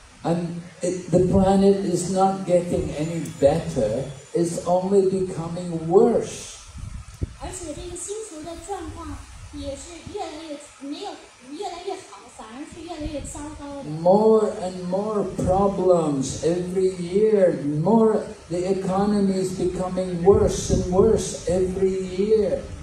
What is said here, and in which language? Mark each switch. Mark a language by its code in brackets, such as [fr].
[en] And the planet is not getting any better; it's only becoming worse. [zh] 而且这个星球的状况也是越来越没有，越来越好，反而是越来越糟糕的。 [en] More and more problems every year. More. The economy is becoming worse and worse every year.